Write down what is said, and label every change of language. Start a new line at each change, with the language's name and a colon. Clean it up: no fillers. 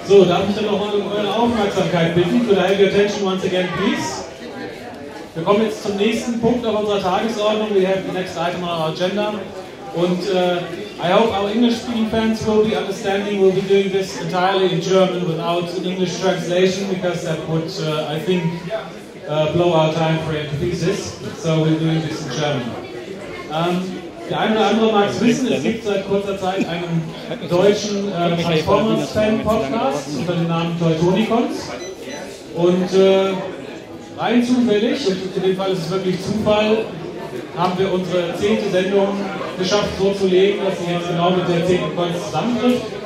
German: So, darf ich dann nochmal um eure Aufmerksamkeit bitten?
English: Could I have your attention once again, please?
German: Wir kommen jetzt zum nächsten Punkt auf unserer Tagesordnung.
English: We have the next item on our agenda. Und I hope our English-speaking fans will be understanding. We'll be doing this entirely in German without an English translation, because that would, I think, blow our time frame to pieces. So we're doing this in German.
German: Der eine oder andere mag es wissen, es gibt seit kurzer Zeit einen deutschen Transformers-Fan-Podcast unter dem Namen Teutonicons. Und rein zufällig, und in dem Fall ist es wirklich Zufall, haben wir unsere 10. Sendung geschafft, so zu legen, dass sie jetzt genau mit der 10. Konz zusammentrifft.